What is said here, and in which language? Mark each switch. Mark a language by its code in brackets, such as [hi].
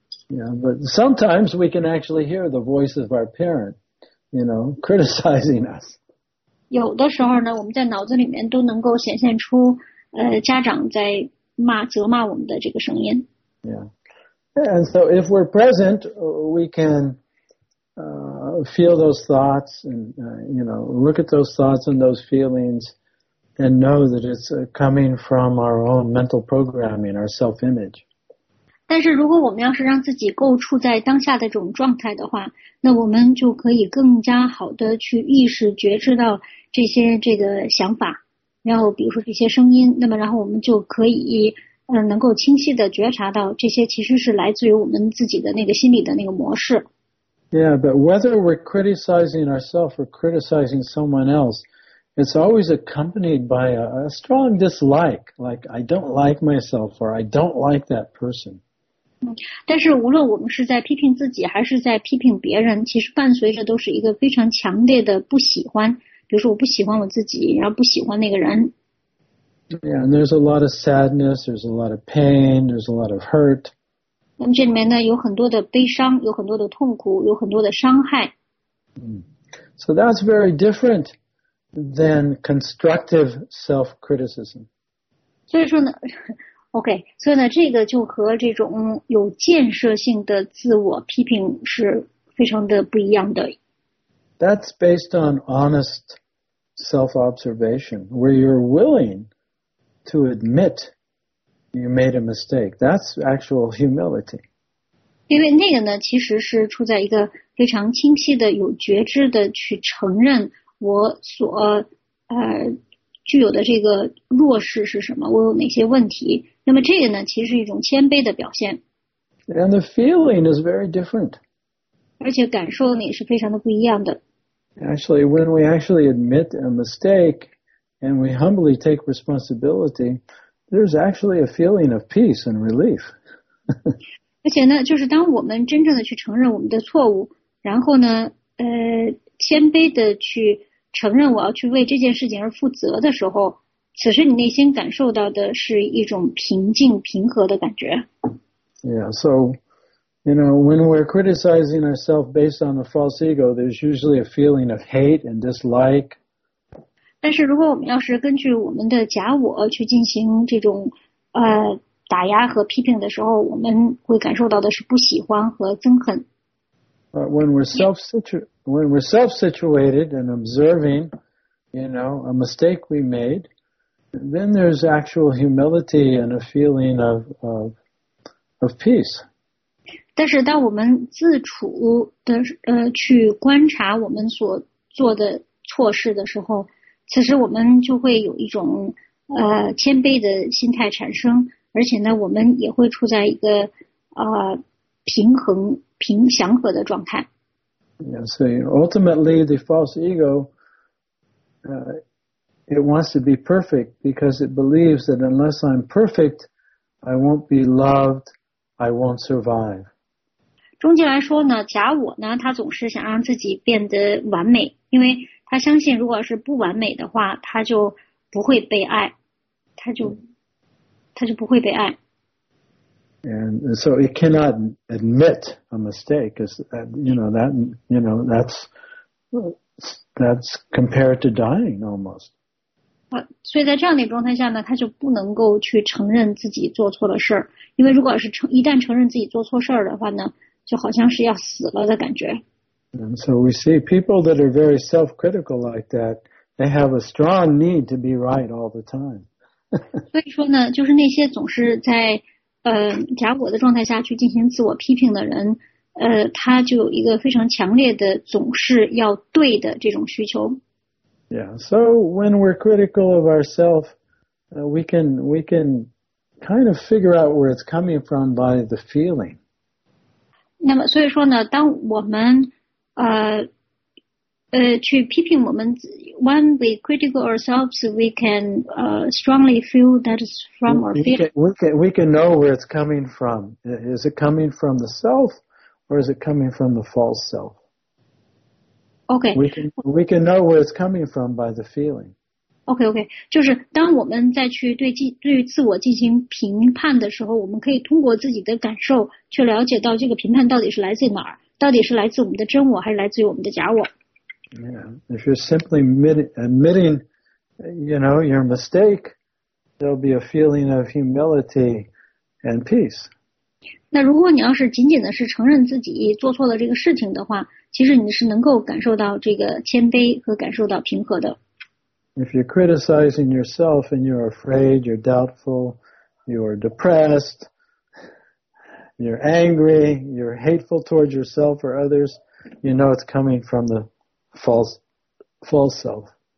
[en] Yeah, but sometimes we can actually hear the voice of our parent, you know, criticizing us. [zh] 有的时候呢，我们在脑子里面都能够显现出，家长在责骂我们的这个声音。 [en] Yeah, and so if we're present, we can, feel those thoughts and, you know, look at those thoughts and those feelings and know that it's coming from our own mental programming, our self-image. [zh] 但是如果我们要是让自己够处在当下的这种状态的话，那我们就可以更加好的去意识觉知到这些这个想法，然后比如说这些声音，那么然后我们就可以能够清晰的觉察到这些其实是来自于我们自己的那个心理的那个模式。 [en] Yeah, but whether we're criticizing ourselves or criticizing someone else, it's always accompanied by a strong dislike, like I don't like myself or I don't like that person. [zh] 但是无论我们是在批评自己还是在批评别人，其实伴随着都是一个非常强烈的不喜欢，比如说我不喜欢我自己，然后不喜欢那个人。 [en] Yeah, and there's a lot of sadness, there's a lot of pain, there's a lot of hurt. [zh] 那么这里面呢有很多的悲伤，有很多的痛苦，有很多的伤害。 [en] So that's very different than constructive self-criticism. [zh] 所以说呢OK, 所以呢这个就和这种有建设性的自我批评是非常的不一样的。 [en] That's based on honest self-observation, where you're willing to admit you made a mistake. That's actual humility. [zh] 因为那个呢其实是处在一个非常清晰的有觉知的去承认我所具有的这个弱势是什么，我有哪些问题。那么这个呢其实是一种谦卑的表现。 [en] And the feeling is very different. [zh] 而且感受呢也是非常的不一样的。 [en] Actually, when we actually admit a mistake and we humbly take responsibility, there's actually a feeling of peace and relief. [zh] 而且呢就是当我们真正的去承认我们的错误，然后呢谦卑的去承认我要去为这件事情而负责的时候，此时你内心感受到的是一种平静平和的感觉。 [en] Yeah, so, you know, when we're criticizing ourselves based on a false ego, there's usually a feeling of hate and dislike. [zh] 但是如果我们要是根据我们的假我去进行这种打压和批评的时候，我们会感受到的是不喜欢和憎恨。 [en] But when we're self-situated and observing, you know, a mistake we made, then there's actual humility and a feeling of peace. [zh] 但是当我们自处的去观察我们所做的错事的时候，此时我们就会有一种谦卑的心态产生，而且呢，我们也会处在一个平衡。平祥和的状态。 [en] Yeah, so ultimately, the false ego, it wants to be perfect because it believes that unless I'm perfect, I won't be loved, I won't survive. [zh] 终极来说呢，假我呢，他总是想让自己变得完美，因为他相信如果是不完美的话，他就不会被爱，他就不会被爱。 [en] And so it cannot admit a mistake, because that's compared to dying almost. [zh] 所以在这样的状态下呢，他就不能够去承认自己做错了事儿，因为如果是一旦承认自己做错事儿的话呢，就好像是要死了的感觉。 [en] And so we see people that are very self-critical like that, they have a strong need to be right all the time. [zh] 所以说呢，就是那些总是在假我的状态下去进行自我批评的人，他就有一个非常强烈的总是要对的这种需求。 [en] Yeah, so when we're critical of ourselves, we can kind of figure out where it's coming from by the feeling. [zh] 那么所以说呢，当我们去批评我们 [en] ，when we critical ourselves, we can strongly feel that is from our feeling. We can know where it's coming from. Is it coming from the self, or is it coming from the false self? Okay. We can know where it's coming from by the feeling. Okay. [zh] 就是当我们再去对自我进行评判的时候，我们可以通过自己的感受去了解到这个评判到底是来自哪儿，到底是来自我们的真我还是来自于我们的假我。 [en] Yeah, if you're simply admitting, your mistake, there'll be a feeling of humility and peace. [zh] 那如果你要是仅仅的是承认自己做错了这个事情的话，其实你是能够感受到这个谦卑和感受到平和的。 [en] If you're criticizing yourself and you're afraid, you're doubtful, you're depressed, you're angry, you're hateful towards yourself or others, you know it's coming from theFalse self.